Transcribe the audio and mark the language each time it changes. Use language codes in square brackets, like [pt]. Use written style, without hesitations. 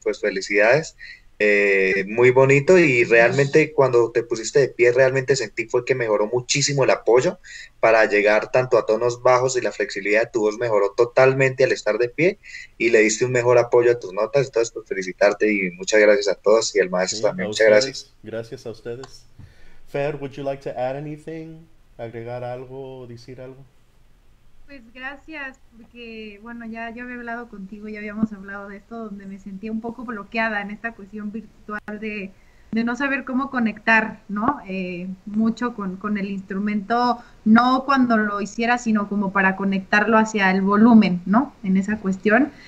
[es] Pues felicidades, muy bonito. Y realmente, cuando te pusiste de pie, realmente sentí fue que mejoró muchísimo el apoyo para llegar tanto a tonos bajos, y la flexibilidad de tu voz mejoró totalmente al estar de pie y le diste un mejor apoyo a tus notas. Entonces, pues, felicitarte y muchas gracias a todos, y al maestro Sí, a Muchas gracias. ustedes, gracias a ustedes. [en] Fer, would you like to add anything? [es] ¿Agregar algo, decir algo? Pues gracias, porque bueno, ya yo había hablado contigo, ya habíamos hablado de esto, donde me sentía un poco bloqueada en esta cuestión virtual de no saber cómo conectar, ¿no? Mucho con el instrumento, no cuando lo hiciera, sino como para conectarlo hacia el volumen, ¿no? En esa cuestión.